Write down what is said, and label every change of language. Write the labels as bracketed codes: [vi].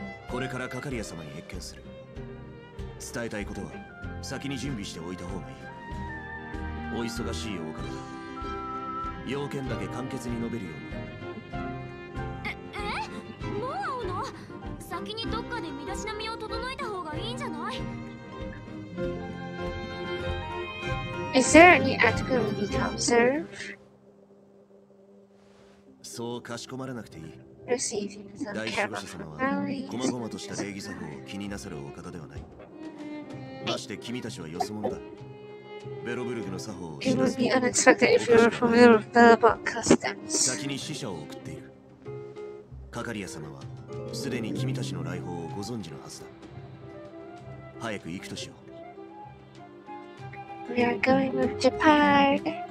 [ja] これからカカリア様に謁見する。伝えたいことは先に準備しておいた方がいい。お忙しいお方だ。要件だけ簡潔に述べるように。ええもう会うの？先にどっかで身だしなみを整えた方がいいんじゃない？ [en] Is there any etiquette we need to observe? [ja] そうかしこまらなくていい。大守護者様は細々とした礼儀作法を気になさるお方ではない。まして君たちはよそ者だ。ベロブルグの作法を知らせる。 [en] It would be unexpected if you were familiar with Belobon customs. [ja] 先に使者を送っている。カカリア様はすでに君たちの来訪をご存知のはずだ。早く行くとしよう。 [en] We are going with Japan.